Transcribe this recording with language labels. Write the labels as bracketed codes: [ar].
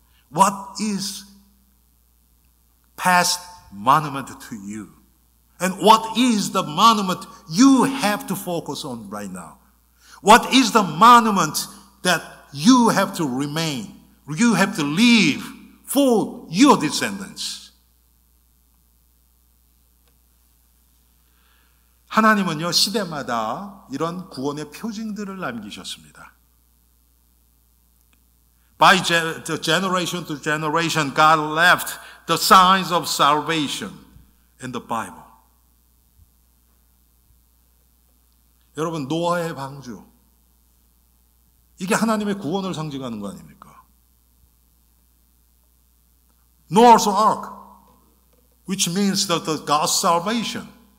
[en] What is past monument to you? And what is the monument you have to focus on right now? What is the monument that you have to remain, you have to leave for your descendants? [ko] 하나님은요, 시대마다 이런 구원의 표징들을 남기셨습니다. [en] By generation to generation, God left the signs of salvation in the Bible. [ko] 여러분, 노아의 방주. 이게 하나님의 구원을 상징하는 거 아닙니까? [en] Noah's Ark, which means that the God's salvation.